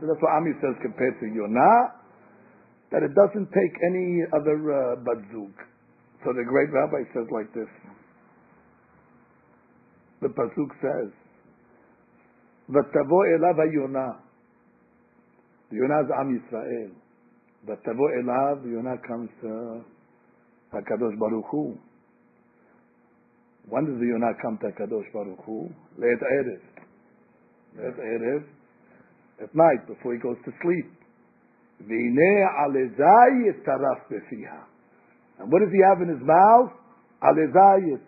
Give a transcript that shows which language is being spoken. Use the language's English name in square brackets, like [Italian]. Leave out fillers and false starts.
[English] And that's what Ami says compared to Yonah, that it doesn't take any other badzug. So the great rabbi says like this. The pasuk says, [Hebrew] ותבוא אליו היונה. יונה זה עם ישראל. ותבוא אליו, יונה [English] comes to [Hebrew] הקדוש ברוך הוא. [English] When does the יונה come to הקדוש ברוך הוא? [Hebrew] לעת ערב. לעת ערב, [English] at night, before he goes to sleep. [Hebrew] והנה על הזית טרף בפיה. [English] And what does he have in his mouth? Alezayit.